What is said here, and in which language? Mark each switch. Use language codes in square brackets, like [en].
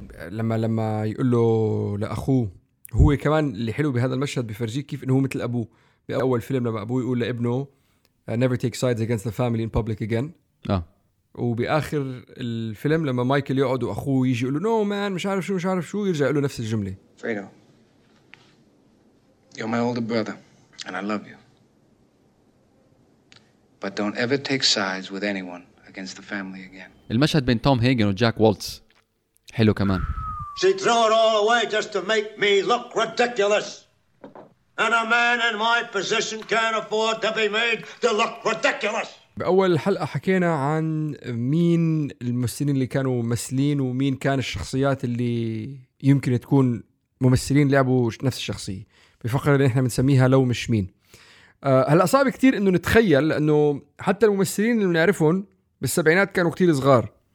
[ar] لما يقول له لأخوه، هو كمان اللي حلو بهذا المشهد بيفرجيك كيف إنه هو مثل أبوه بأول فيلم لما أبوه يقول لابنه [en] never take sides against the family in public again. [ar] وبآخر الفيلم لما مايكل يقعد وأخوه يجي يقول له [en] no man [ar] مش عارف شو يرجع له نفس الجملة. [en] Fredo, you're my older brother and I love you. But don't ever take sides with anyone against the family again. [ar] المشهد بين توم هيجن وجاك والتز حلو كمان. [en] She threw it all away just to make me look ridiculous. and a man in my position can't afford to be made to look ridiculous. [ar] بأول حلقة حكينا عن مين الممثلين اللي كانوا ممثلين ومين كان الشخصيات اللي يمكن تكون ممثلين لعبوا نفس الشخصية بفقرة اللي احنا بنسميها لو مش مين. هلأ صعب كتير انه نتخيل لانه حتى الممثلين اللي بنعرفهم بالسبعينات كانوا كتير صغار